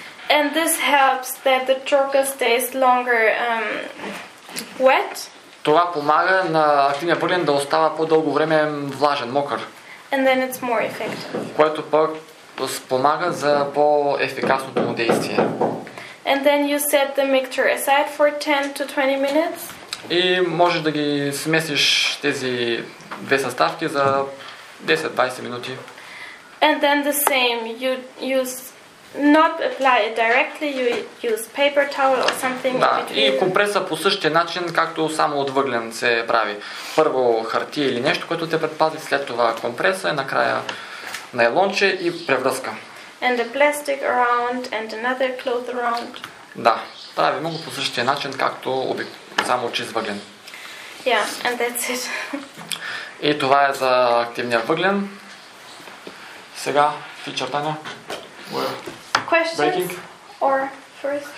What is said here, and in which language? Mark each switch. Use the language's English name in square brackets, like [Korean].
[English] And this helps that the charcoal stays longer wet. [Bulgarian] Това помага на активния въглен да остава по-дълго време влажен, мокър. [English] And then it's more effective. [Bulgarian] Което пък спомага за по-ефикасното му действие. [English] And then you set the mixture aside for 10 to 20 minutes. [Bulgarian] И можеш да ги смесиш тези две съставки за 10-20 минути. [English] And then the same, you use not apply it directly, you use paper towel or something. [Bulgarian] Да, и компреса по същия начин, както само от въглен се прави. Първо хартия или нещо, което те предпази, след това компреса и накрая нейлонче и превръзка. [English] And a plastic around and another cloth around. [Bulgarian] Да, правим го по същия начин, както само чист въглен. [English] Yeah, and that's it. [Bulgarian] И това е за активния въглен. Сега, фичър, Таня. [English] Questions? Breaking. Or first?